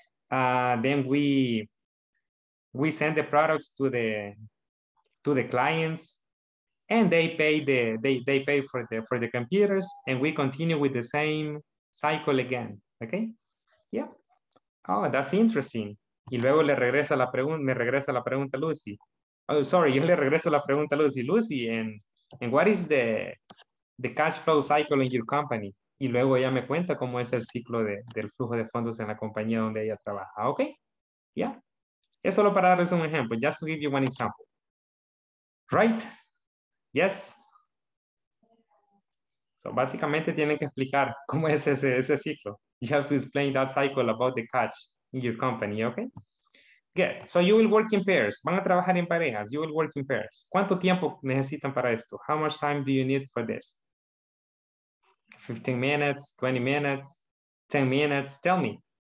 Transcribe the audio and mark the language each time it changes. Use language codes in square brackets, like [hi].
[en] Then we send the products to the clients, and they pay for the computers, and we continue with the same cycle again. Okay, yeah. Oh, that's interesting. [es] Y luego me regresa la pregunta, Lucy. [en] Oh, sorry, [es] yo le regreso la pregunta, Lucy. [en] Lucy, and what is the cash flow cycle in your company? [es] Y luego ella me cuenta cómo es el ciclo del flujo de fondos en la compañía donde ella trabaja. [en] Okay, yeah. [es] Es solo para darles un ejemplo, [en] just to give you one example. Right? Yes? [es] So básicamente tienen que explicar cómo es ese ciclo. [en] You have to explain that cycle about the cash in your company, okay? Good, so you will work in pairs. [es] Van a trabajar en parejas, [en] you will work in pairs. [es] ¿Cuánto tiempo necesitan para esto? [en] How much time do you need for this? 15 minutes, 20 minutes, 10 minutes, tell me.